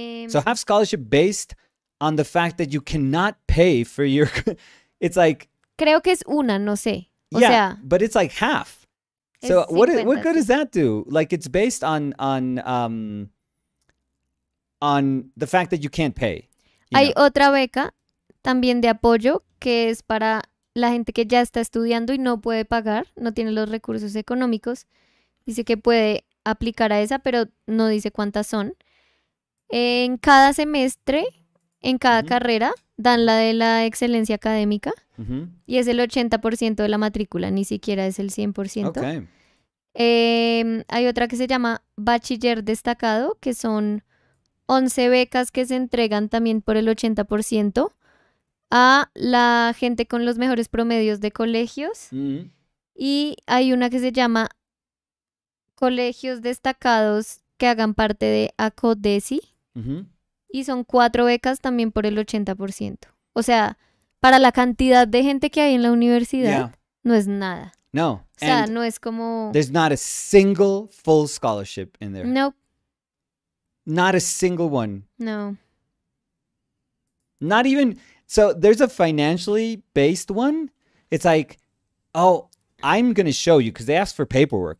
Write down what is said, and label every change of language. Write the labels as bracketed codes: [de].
[en] So half scholarship based on the fact that you cannot pay for your it's like [es] creo que es una, no sé. O [en] yeah, [es] sea, [en] but it's like half. So what good does that do? Like, it's based on the fact that you can't pay. [es] Hay otra beca también de apoyo que es para la gente que ya está estudiando y no puede pagar, no tiene los recursos económicos. Dice que puede aplicar a esa, pero no dice cuántas son. En cada semestre, en cada carrera, dan la de la excelencia académica. Y es el 80% de la matrícula, ni siquiera es el 100%. [en] Okay. [es] Hay otra que se llama Bachiller Destacado, que son 11 becas que se entregan también por el 80% a la gente con los mejores promedios de colegios. Y hay una que se llama Colegios Destacados que hagan parte de ACODESI. Y son 4 becas también por el 80%. O sea, para la cantidad de gente que hay en la universidad, no es nada. No. O sea, and no es como... [en] There's not a single full scholarship in there. Nope. Not a single one. No. Not even... So there's a financially based one. It's like, oh, I'm going to show you because they ask for paperwork.